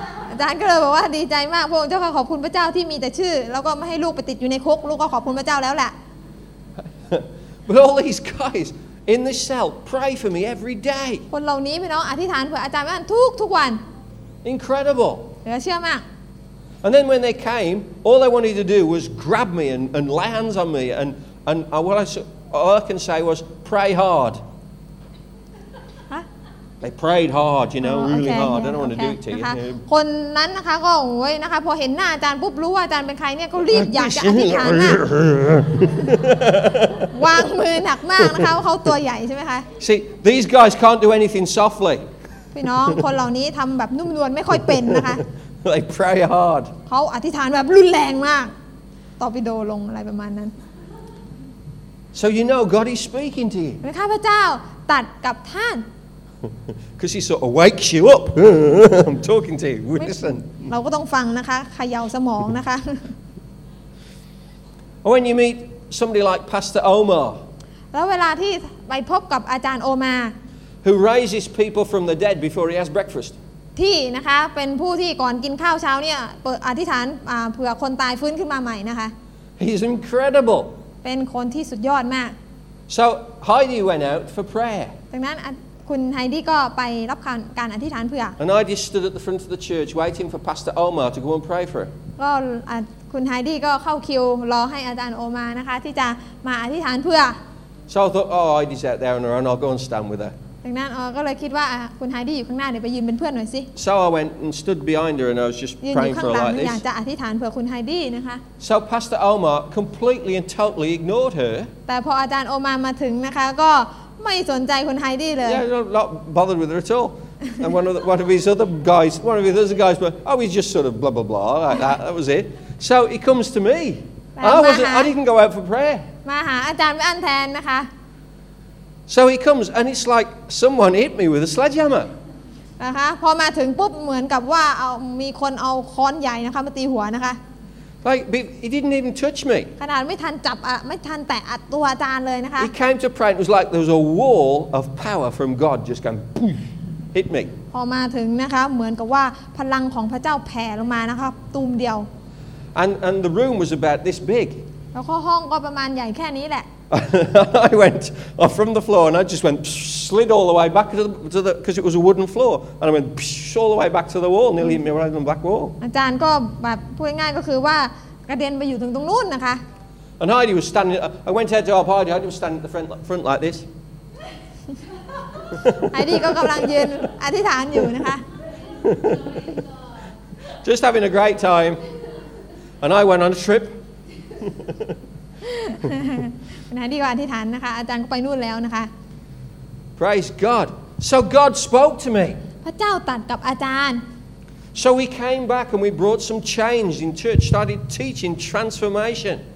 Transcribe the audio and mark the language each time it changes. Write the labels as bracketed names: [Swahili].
[Thai] อาจารย์ก็เลยบอกว่าดีใจมากพระองค์เจ้าขอบคุณพระเจ้าที่มีแต่ชื่อแล้วก็ไม่ให้ลูกไปติดอยู่ในคุกลูกก็ขอบคุณพระเจ้าแล้วแหละ [English] But all these guys in the cell pray for me every day. [Thai] คนเหล่านี้พี่น้องอธิษฐานเพื่ออาจารย์ว่าทุกวัน [English] Incredible. [Thai] เหลือเชื่อมาก [English] And then when they came, all they wanted to do was grab me and lay hands on me. And all I can say was, pray hard. They prayed hard, you know, really hard. I don't want to do it to you. [Thai] คนนั้นนะคะก็โอ้ยนะคะพอเห็นหน้าอาจารย์ปุ๊บรู้ว่าอาจารย์เป็นใครเนี่ยก็รีบอยากจะอธิษฐานนะวางมือหนักมากนะคะเขาตัวใหญ่ใช่ไหมคะ [English] See, these guys can't do anything softly. [Thai] พี่น้องคนเหล่านี้ทำแบบนุ่มนวลไม่ค่อยเป็นนะคะ [English] They pray hard. [Thai] เขาอธิษฐานแบบรุนแรงมากตอร์ปิโดลงอะไรประมาณนั้น [English] So you know God is speaking to you. [Thai] ข้าพเจ้าตัดกับท่าน [English] Because he sort of wakes you up. I'm talking to you. Listen. [Thai] เราก็ต้องฟังนะคะเขย่าสมองนะคะ [English] Or when you meet somebody like Pastor Omar. [Thai] แล้วเวลาที่ไปพบกับอาจารย์โอมา [English] Who raises people from the dead before he has breakfast. [Thai] ที่นะคะเป็นผู้ที่ก่อนกินข้าวเช้าเนี่ยอธิษฐานเผื่อคนตายฟื้นขึ้นมาใหม่นะคะ [English] He's incredible. [Thai] เป็นคนที่สุดยอดมาก [English] So Heidi went out for prayer [Thai] ดังนั้นคุณไฮดี้ก็ไปรับการอธิษฐานเผื่อ [English] And I just stood at the front of the church waiting for Pastor Omar to go and pray for her [Thai] ก็คุณไฮดี้ก็เข้าคิวรอให้อาจารย์โอมานะคะที่จะมาอธิษฐานเผื่อ [English] So I thought oh Heidi's out there on her own I'll go and stand with her [Thai] ดังนั้นก็เลยคิดว่าคุณไฮดี้อยู่ข้างหน้าเดี๋ยวไปยืนเป็นเพื่อนหน่อยสิ [English] So I went and stood behind her and I was just praying for her like this [Thai] อยากจะอธิษฐานเผื่อคุณไฮดี้นะคะ [English] So Pastor Omar completely and totally ignored her [Thai] แต่พออาจารย์โอมามาถึงนะคะก็ไม่สนใจคุณไฮดี้เลย [English] Yeah, not bothered with her at all And one of his other guys went oh he's just sort of blah blah blah like that that was it So he comes to me I didn't go out for prayer [Thai] มาหาอาจารย์ไม่อันแทนนะคะ [English] So he comes and it's like someone hit me with a sledgehammer. [Thai] นะคะพอมาถึงปุ๊บเหมือนกับว่าเอามีคนเอาค้อนใหญ่นะคะมาตีหัวนะคะ [English] Like he didn't even touch me. [Thai] ขนาดไม่ทันจับไม่ทันแตะตัวอาจารย์เลยนะคะ [English] He came to pray and it was like there was a wall of power from God just going poof hit me. [Thai] พอมาถึงนะคะเหมือนกับว่าพลังของพระเจ้าแผ่ลงมานะคะตูมเดียว [English] And the room was about this big. [Thai] แล้วก็ห้องก็ประมาณใหญ่แค่นี้แหละ [English] I went off from the floor and I just went slid all the way back to the because it was a wooden floor and I went all the way back to the wall nearly hit me right on the back wall [Thai] อาจารย์ก็แบบพูดง่ายก็คือว่ากระเด็นไปอยู่ตรงนู้นนะคะ [English] And Heidi was standing I went out to help Heidi Heidi was standing at the front like this [Thai] Heidi ก็กำลังยืนอธิษฐานอยู่นะคะ [English] Just having a great time and I went on a trip [Thai] นะดีกว่าอธิษฐานนะคะอาจารย์ก็ไปนู่นแล้วนะคะ [English] Praise God So God spoke to me [Thai] พระเจ้าตรัสกับอาจารย์ [English] So we came back and we brought some change in church started teaching transformation